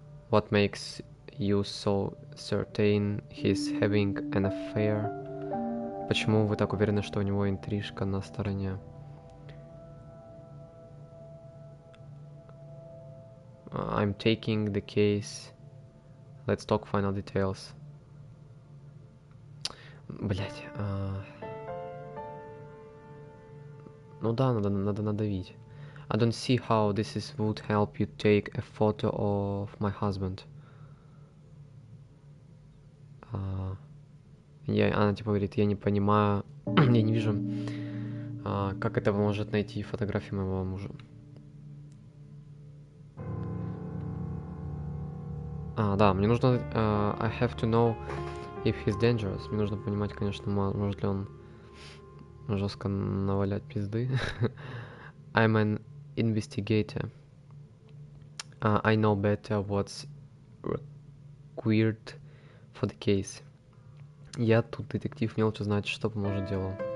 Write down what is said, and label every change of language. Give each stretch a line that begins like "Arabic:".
English: What makes you so certain he's having an affair?
Russian: Почему вы так уверены, что у него интрижка на стороне?
English: I'm taking the case. Let's talk final details.
Russian: Блять. Ну да, надо надавить.
English: I don't see how this is would help you take a photo of my husband.
Russian: Она типа говорит, я не понимаю, я не вижу, как это поможет найти фотографию моего мужа. Да, мне нужно...
English: I have to know if he's dangerous.
Russian: Мне нужно понимать, конечно, может ли он жестко навалять пизды.
English: I'm an investigator. I know better what's required for the case.
Russian: Я тут детектив, мне лучше знать, что поможет делу.